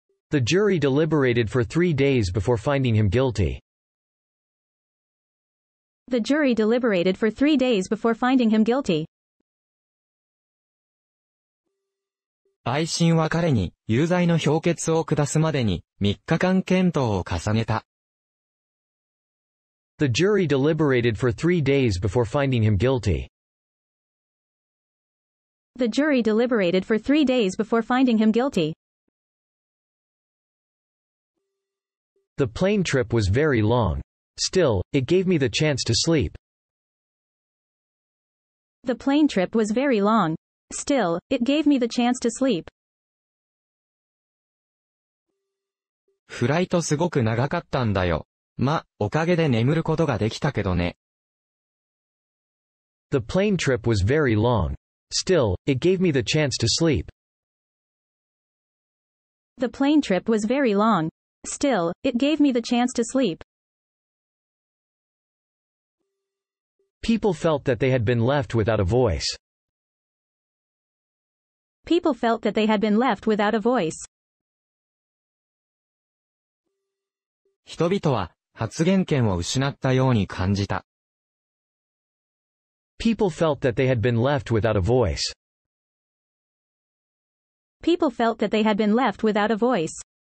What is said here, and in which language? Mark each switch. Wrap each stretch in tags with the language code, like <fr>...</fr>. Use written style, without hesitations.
<en>The jury deliberated for 3 days before finding him guilty. The jury deliberated for 3 days before finding him guilty.</en> <ja>陪審は彼に有罪の評決を下すまでに3日間検討を重ねた。</ja> <en>The jury deliberated for 3 days before finding him guilty. The jury deliberated for 3 days before finding him guilty. The plane trip was very long. Still, it gave me the chance to sleep. The plane trip was very long. Still, it gave me the chance to sleep.</en> <ja>フライトすごく長かったんだよ。ま、おかげで眠ることができたけどね。</ja> <en>The plane trip was very long. Still, it gave me the chance to sleep. The plane trip was very long. Still, it gave me the chance to sleep. People felt that they had been left without a voice. People felt that they had been left without a voice.</en> <ja>人々は発言権を失ったように感じた。</ja> <en>People felt that they had been left without a voice. People felt that they had been left without a voice.</en>